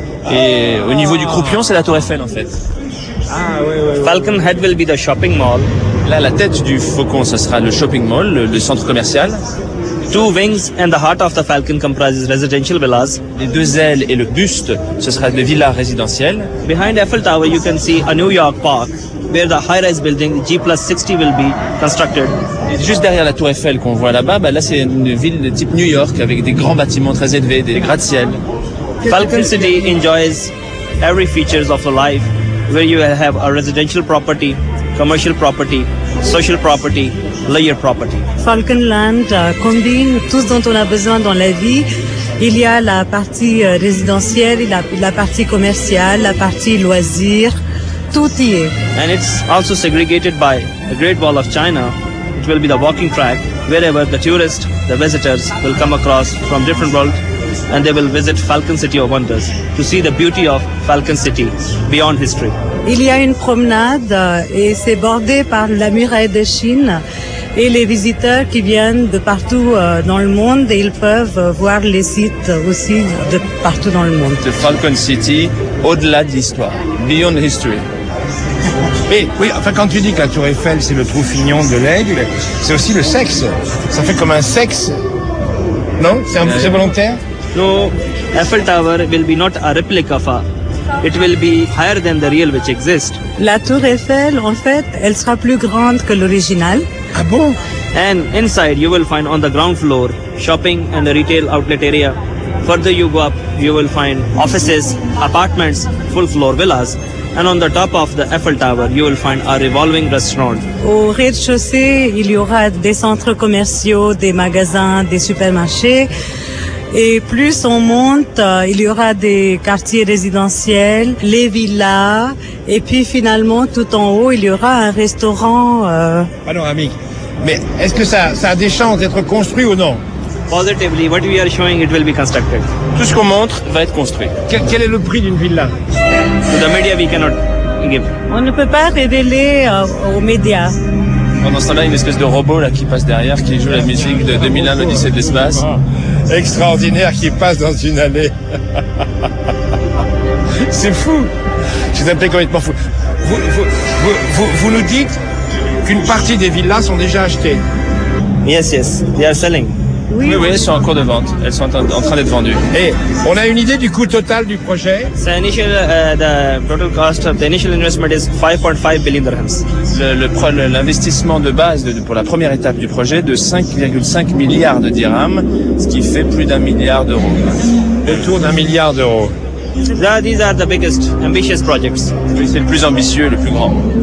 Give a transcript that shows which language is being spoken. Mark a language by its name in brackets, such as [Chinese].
[French] Et au niveau du croupion, c'est la tour Eiffel, en fait. Ah, oui, oui. [English] Falcon [French] ouais. [English] Head will be the shopping mall. [French] Là, la tête du faucon, ça sera le shopping mall, le centre commercial. [English] Two wings and the heart of the falcon comprises residential villas. [French] Les deux ailes et le buste, ce sera des villas résidentielles. [English] Behind Eiffel Tower, you can see a New York park, where the high-rise building G plus 60 will be constructed. [French] Et juste derrière la tour Eiffel qu'on voit là-bas, bah là c'est une ville de type New York avec des grands bâtiments très élevés, des gratte-ciels. [English] Falcon City enjoys every features of the life, where you have a residential property, commercial property, social property, layer property. [French] Falcon Land combine tout ce dont on a besoin dans la vie. Il y a la partie résidentielle, la partie commerciale, la partie loisir, tout y est. [English] And it's also segregated by the Great Wall of China. It will be the walking track wherever the tourists, the visitors will come across from different world and they will visit Falcon City of Wonders to see the beauty of Falcon City beyond history. [French] Il y a une promenade et c'est bordé par la muraille de Chine et les visiteurs qui viennent de partout dans le monde et ils peuvent voir les sites aussi de partout dans le monde. [English] The Falcon City, [French] au-delà de l'histoire, [English] beyond history. [French] Mais, oui, enfin, quand tu dis que la tour Eiffel, c'est le troufignon de l'aigle, c'est aussi le sexe. Ça fait comme un sexe. Non? C'est volontaire? [English] No, Eiffel Tower will be not a replica of a... It will be higher than the real which exists. [French] La tour Eiffel, en fait, elle sera plus grande que l'original. Ah bon? [English] And inside, you will find on the ground floor, shopping and the retail outlet area. Further you go up, you will find offices, apartments, full floor villas. And on the top of the Eiffel Tower, you will find a revolving restaurant. [French] Au rez-de-chaussée, il y aura des centres commerciaux, des magasins, des supermarchés. Et plus on monte, il y aura des quartiers résidentiels, les villas, et puis finalement, tout en haut, il y aura un restaurant. Panoramique. Mais est-ce que ça a des chances d'être construit ou non? [English] Positively, what we are showing, it will be constructed. [French] Tout ce qu'on montre va être construit. Quel est le prix d'une villa? [English] To the media, we cannot give. [French] On ne peut pas révéler aux médias. Pendant ce temps-là, une espèce de robot là qui passe derrière, qui joue la musique de 2001, l'Odyssée de l'espace. Extraordinaire, qui passe dans une allée. C'est fou. C'est un peu complètement fou. Vous nous dites qu'une partie des villas sont déjà achetées. [English] Yes, yes, they are selling. [French] Oui, elles sont en cours de vente. Elles sont en train d'être vendues. Et on a une idée du coût total du projet. [English] The initial the total cost of the initial investment is 5.5 billion dirhams. [French] L'investissement de base pour la première étape du projet de 5,5 milliards de dirhams, ce qui fait plus d'un milliard d'euros. Autour d'un milliard d'euros. [English] These are the biggest ambitious projects. [French] C'est le plus ambitieux et le plus grand.